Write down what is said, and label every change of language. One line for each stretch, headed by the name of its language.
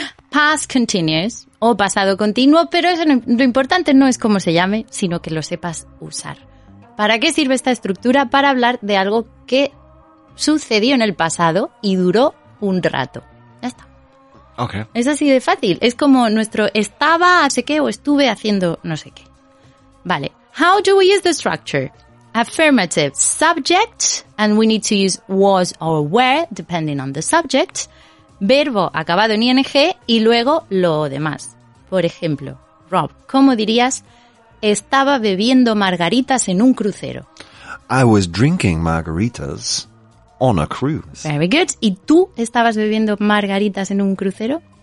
Spanish: Past continuous o pasado continuo, pero eso no, lo importante no es cómo se llame, sino que lo sepas usar. ¿Para qué sirve esta estructura? Para hablar de algo que sucedió en el pasado y duró un rato. Ya está. Okay. Es así de fácil. Es como nuestro estaba hace qué o estuve haciendo no sé qué.
English: Vale. How do we use the structure? Affirmative subject, and we need to use was or were, depending on the subject.
Spanish: Verbo acabado en ing y luego lo demás. Por ejemplo, Rob, ¿cómo dirías? Estaba bebiendo margaritas en un crucero.
English: I was drinking margaritas on a cruise. Very good.
Spanish: ¿Y tú estabas bebiendo margaritas en un crucero?